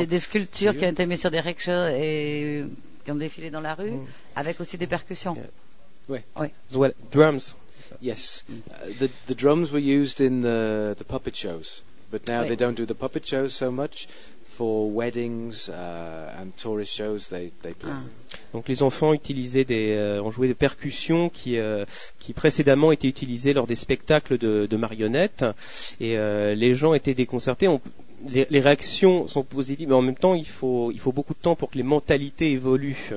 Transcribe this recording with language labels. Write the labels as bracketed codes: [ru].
[fr] Des sculptures qui ont été mises sur des rickshaws et qui ont défilé dans la rue, avec aussi des percussions. [en] So, well, drums. Yes, the drums were used in the puppet shows, but now they don't do the puppet shows so much. For weddings and tourist shows, they play. [fr] Donc les enfants utilisaient ont joué des percussions qui précédemment étaient utilisées lors des spectacles de marionnettes, et les gens étaient déconcertés. Les réactions sont positives, mais en même temps il faut beaucoup de temps pour que les mentalités évoluent.